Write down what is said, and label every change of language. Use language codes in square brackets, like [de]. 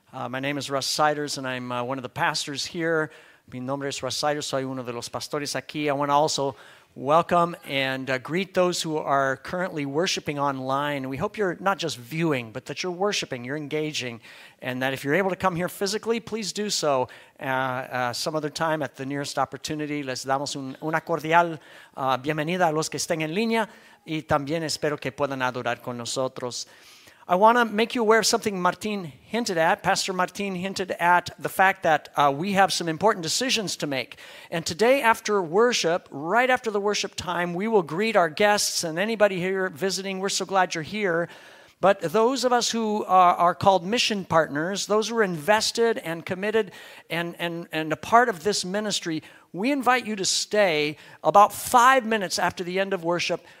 [en] My name is Russ Siders, and I'm one of the pastors here. [es] Mi nombre es Russ Siders, soy uno de los pastores aquí. [en] I want to also welcome and greet those who are currently worshiping online. We hope you're not just viewing, but that you're worshiping, you're engaging, and that if you're able to come here physically, please do so some other time at the nearest opportunity. [es] Les damos una cordial bienvenida a los que estén en línea. Y también espero que puedan adorar con nosotros. [en] I want to make you aware of something Martin hinted at. Pastor Martin hinted at the fact that we have some important decisions to make. And today after worship, right after the worship time, we will greet our guests and anybody here visiting. We're so glad you're here. But those of us who are called mission partners, those who are invested and committed and a part of this ministry, we invite you to stay about 5 minutes after the end of worship.